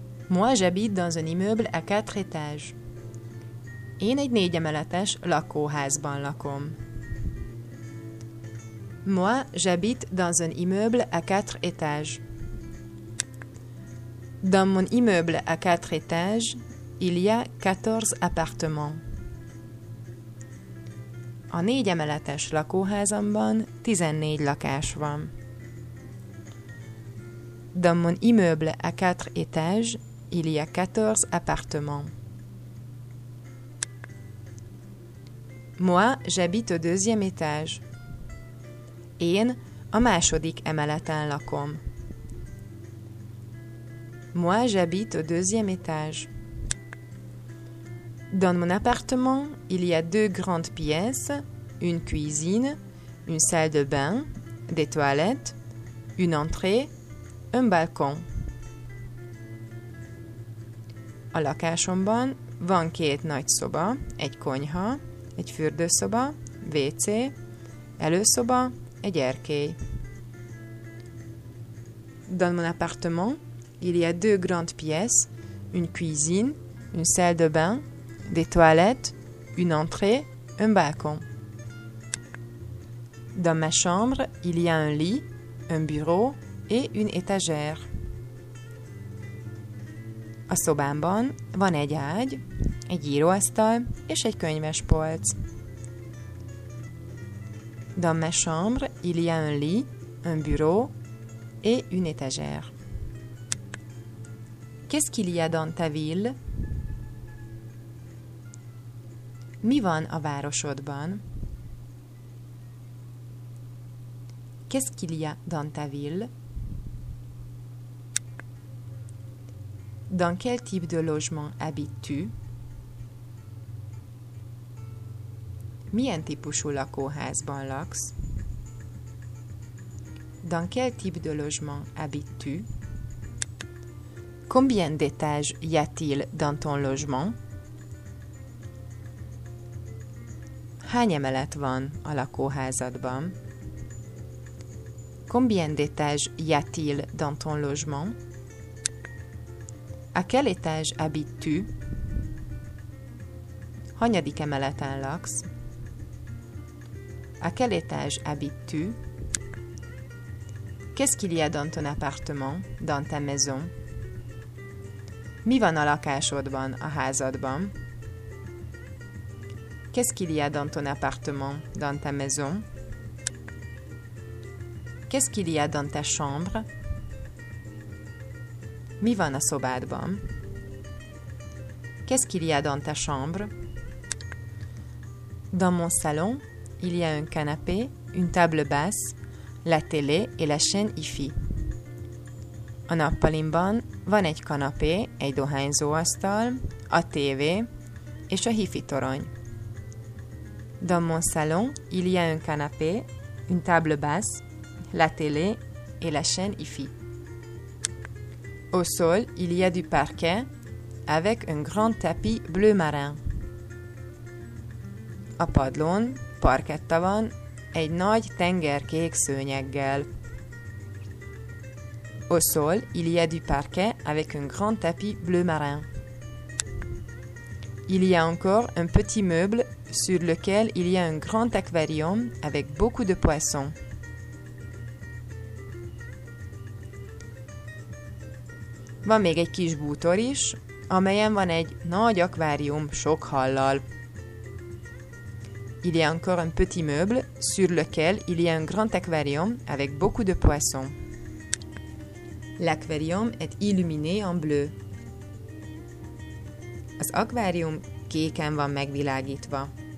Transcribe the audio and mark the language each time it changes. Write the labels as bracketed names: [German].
[French] Moi, j'habite dans un immeuble à 4 étages. [Hungarian] Én egy 4 emeletes lakóházban lakom. [French] Moi, j'habite dans un immeuble à 4 étages. Dans mon immeuble à 4 étages, il y a 14 appartements. [Hungarian] A 4 emeletes lakóházamban 14 lakás van. [French] Dans mon immeuble à 4 étages, il y a 14 appartements. Moi, j'habite au deuxième étage. [Hungarian] Én a második emeleten lakom. [French] Moi, j'habite au deuxième étage. Dans mon appartement, il y a 2 grandes pièces, une cuisine, une salle de bain, des toilettes, une entrée, un balcon. [Hungarian] A lakásomban van 2 nagy szoba, egy konyha, egy fürdőszoba, WC, előszoba, egy erkély. [French] Dans mon appartement, il y a 2 grandes pièces, une cuisine, une salle de bain, des toilettes, une entrée, un balcon. Dans ma chambre, il y a un lit, un bureau et une étagère. [Hungarian] A szobámban van egy ágy, egy íróasztal és egy könyvespolc. [French] Dans ma chambre, il y a un lit, un bureau et une étagère. Qu'est-ce qu'il y a dans ta ville? [Hungarian] Mi van a városodban? [French] Qu'est-ce qu'il y a dans ta ville? Dans quel type de logement habites-tu? [Hungarian] Milyen típusú lakóházban laksz? [French] Dans quel type de logement habites-tu? Combien d'étages y a-t-il dans ton logement? [Hungarian] Hány emelet van a lakóházadban? [French] Combien d'étages y a-t-il dans ton logement? À quel étage habites-tu? [Hungarian] Hanyadik emeleten laksz? [French] À quel étage habites-tu? Qu'est-ce qu'il y a dans ton appartement, dans ta maison? [Hungarian] Mi van a lakásodban, a házadban? [French] Qu'est-ce qu'il y a dans ton appartement, dans ta maison? Qu'est-ce qu'il y a dans ta chambre? [Hungarian] Mi van a szobádban? [French] Qu'est-ce qu'il y a dans ta chambre? Dans mon salon, il y a un canapé, une table basse, la télé et la chaîne hi-fi. [Hungarian] A nappalimban van egy kanapé, egy dohányzóasztal, a tévé és a hi-fi torony. [French] Dans mon salon, il y a un canapé, une table basse, la télé et la chaîne hi-fi. Au sol, il y a du parquet avec un grand tapis bleu marin. [Hungarian] A padlón parketta van egy nagy tengerkék szőnyeggel. [French] Au sol, il y a du parquet avec un grand tapis bleu marin. Il y a encore un petit meuble sur lequel il y a un grand aquarium avec beaucoup de poissons. [Hungarian] Van még egy kis bútor is, amelyen van egy nagy akvárium sok hallal. [French] Il y a encore un petit meuble sur lequel il y a un grand aquarium avec beaucoup de poissons. L'aquarium est illuminé en bleu. [Hungarian] Az akvárium kéken van megvilágítva.